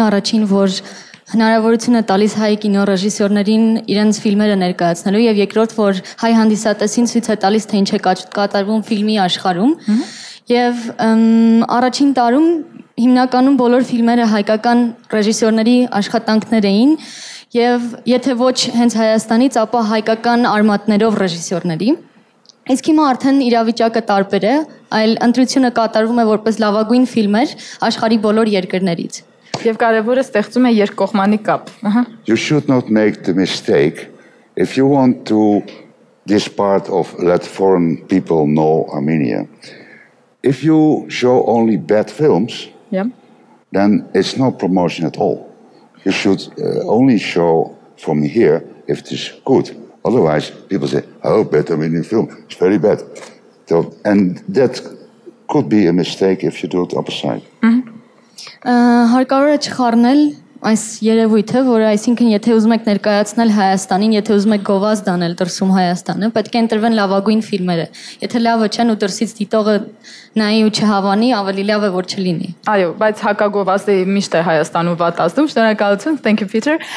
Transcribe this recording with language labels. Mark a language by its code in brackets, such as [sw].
[hy] Առաջին, որ հնարավորություն է տալիս հայ կինոռեժիսորներին իրենց ֆիլմերը ներկայացնելու, եւ երկրորդ, որ հայ հանդիսատեսին ցույց է տալիս, թե ինչ է կատարվում ֆիլմի աշխարհում։ Եվ առաջին տարում հիմնականում բոլոր ֆիլմերը հայկական ռեժիսորների աշխատանքներ էին, եւ եթե ոչ հենց Հայաստանից, ապա հայկական արմատներով ռեժիսորների։ Իսկ հիմա արդեն իրավիճակը տարբեր է, այլ ընտրությունը կատարվում է որպես լավագույն ֆիլմեր աշխարհի բոլոր երկրներից։ [en] You should not make the mistake. If you want to this part of let foreign people know Armenia, if you show only bad films, then it's no promotion at all. You should only show from here if it is good. Otherwise, people say, oh, bad Armenian film, it's very bad. So, and that could be a mistake if you do it opposite. [hy] Հարկավոր է չխառնել այս երևույթը, որ այսինքն եթե ուզում եք ներկայացնել Հայաստանին, եթե ուզում եք գովազդ դանել դրսում Հայաստանը, պետք է ընտրվեն լավագույն ֆիլմերը։ Եթե լավը չեն ու դրսից դիտողը նայի ու չհավանի, ավելի լավ է, որ չլինի։ Այո, բայց հակագովազդը միշտ է Հայաստանը պատածում։ Շնորհակալություն, [en] thank you Peter.